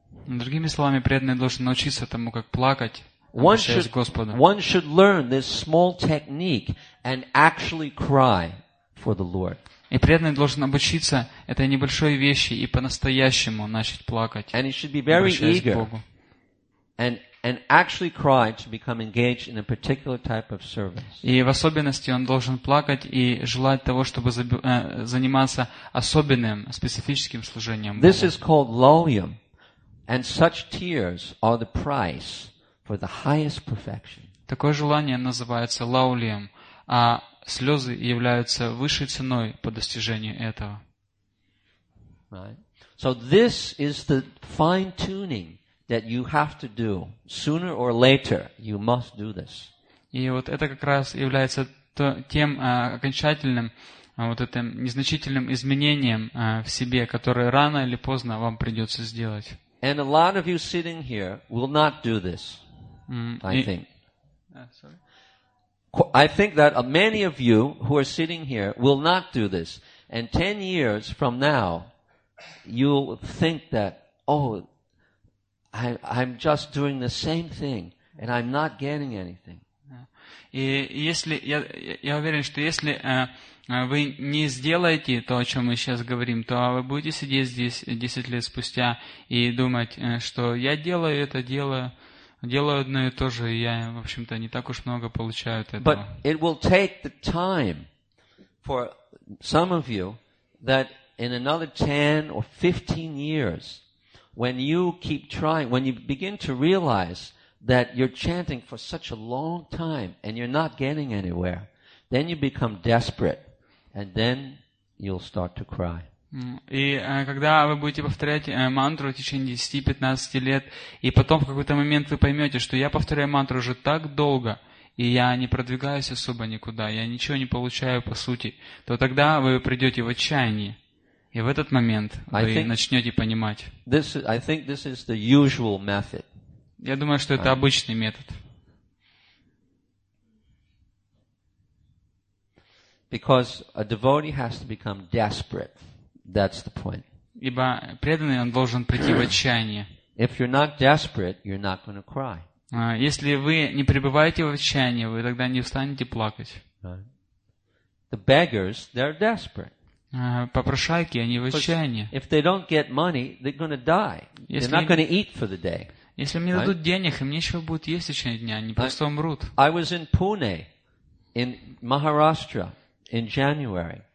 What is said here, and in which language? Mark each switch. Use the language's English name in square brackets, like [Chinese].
[Russian] Другими словами, преданный должен научиться тому, как плакать, обращаясь к Господу. [English] One should learn this small technique and actually cry for the Lord. [Russian] И преданный должен обучиться этой небольшой вещи и по-настоящему начать плакать. [English] And he should be very eager and actually cry to become engaged in a particular type of service. [Russian] И в особенности он должен плакать и желать того, чтобы заниматься особенным специфическим служением. [English] This is called lolium, and such tears are the price for the highest perfection. [Russian] Такое желание называется лаулием, а слезы являются высшей ценой по достижению этого. [English] Right. So this is the fine tuning that you have to do. Sooner or later, you must do this. [Russian] И вот это как раз является тем окончательным, вот этим незначительным изменением в себе, которое рано или поздно вам придется сделать. [English] And a lot of you sitting here will not do this, I think. I think that many of you who are sitting here will not do this. And 10 years from now, you'll think that, oh, I'm just doing the same thing and I'm not getting anything. [Russian] И если я уверен, что если вы не сделаете то, о чем мы сейчас говорим, то вы будете сидеть здесь 10 лет спустя и думать, что я делаю это делаю одно и то же, и я, в общем-то, не так уж много получаю от этого. [English] But it will take the time for some of you that in another 10 or 15 years when you keep trying, when you begin to realize that you're chanting for such a long time and you're not getting anywhere, then you become desperate and then you'll start to cry. [Russian] И когда вы будете повторять мантру в течение 10-15 лет, и потом в какой-то момент вы поймете, что я повторяю мантру уже так долго, и я не продвигаюсь особо никуда, я ничего не получаю по сути, то тогда вы придете в отчаяние. И в этот момент вы начнете понимать. [English] I think this is the usual method. [Russian] Я думаю, что это обычный метод. [English] Because a devotee has to become desperate. That's the point. [Russian] Ибо преданный он должен прийти в отчаяние. [English] If you're not desperate, you're not going to cry. [Russian] Если вы не пребываете в отчаянии, вы тогда не встанете плакать. [English] The beggars, they're desperate. [Russian] Попрошайки, они в отчаянии. [English] If they don't get money, they're going to die. They're not going to eat for the day. [Russian] Если мне дадут денег, им нечего будет есть в течение дня, они просто умрут. [English] I was in Pune, in Maharashtra, in January.